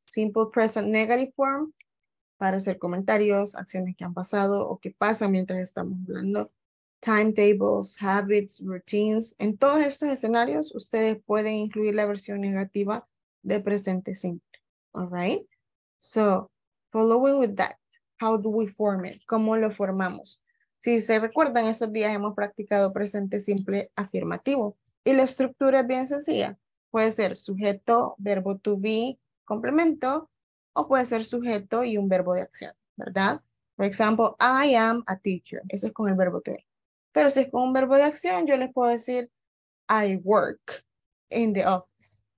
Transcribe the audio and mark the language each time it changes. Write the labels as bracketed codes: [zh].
[es] Simple present negative form para hacer comentarios, acciones que han pasado o que pasan mientras estamos hablando. Timetables, habits, routines. En todos estos escenarios, ustedes pueden incluir la versión negativa de presente simple. [en] All right? So, following with that, how do we form it? [es] ¿Cómo lo formamos? Si se recuerdan, esos días hemos practicado presente simple afirmativo. Y la estructura es bien sencilla. Puede ser sujeto, verbo to be, complemento, o puede ser sujeto y un verbo de acción, ¿verdad? Por ejemplo, [en] I am a teacher. [es] Ese es con el verbo to be. Pero si es con un verbo de acción, yo les puedo decir, [en] I work in the office.